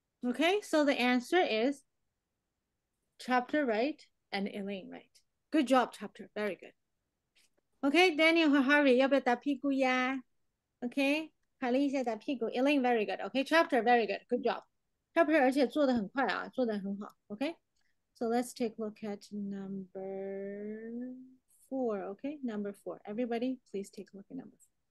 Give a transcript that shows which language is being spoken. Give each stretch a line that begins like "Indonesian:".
English: Okay, so the answer is Chapter right and Elaine right. Good job, Chapter. Very good.
Chinese: Okay, Daniel 和 Harvey 要不要打屁股呀? Okay, 卡莉一下打屁股, Elaine
English: very good. Okay, Chapter very good. Good job.
Chinese: Chapter 而且做得很快啊,做得很好.
English: Okay, so let's take a look at number 4. Okay, number 4. Everybody, please take a look at number 4.